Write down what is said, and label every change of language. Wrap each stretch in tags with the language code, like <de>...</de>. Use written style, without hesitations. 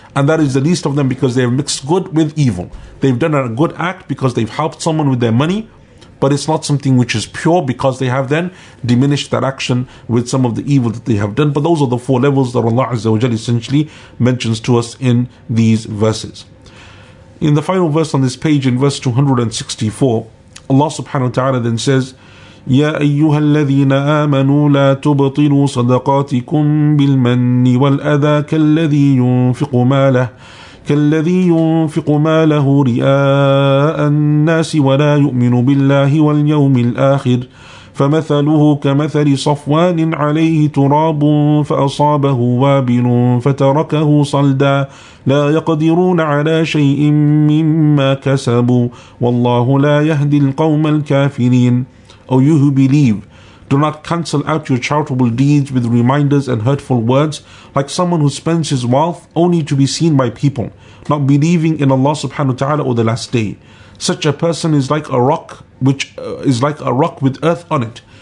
<en>And that is the least of them, because they have mixed good with evil. They've done a good act because they've helped someone with their money, but it's not something which is pure, because they have then diminished that action with some of the evil that they have done. But those are the four levels that Allah Azza wa Jalla essentially mentions to us in these verses. In the final verse on this page, in verse 264, Allah subhanahu wa ta'ala then says,</en> <ar>يَا أَيُّهَا الَّذِينَ آمَنُوا لَا تُبْطِلُوا صَدَقَاتِكُمْ بِالْمَنِّ وَالْأَذَى كَالَّذِي يُنْفِقُ مَالَهُ رئاء الناس ولا يؤمن بالله واليوم الآخر فمثله كمثل صفوان عليه تراب فأصابه وابل فتركه صلدا لا يقدرون على شيء مما كسبوا والله لا يهدي القوم الكافرين.</ar> <en>Oh, you who believe, do not cancel out your charitable deeds with reminders and hurtful words, like someone who spends his wealth only to be seen by people, not believing in Allah subhanahu wa ta'ala or the last day. Such a person is like a rock, which is like a rock with earth on it.</en>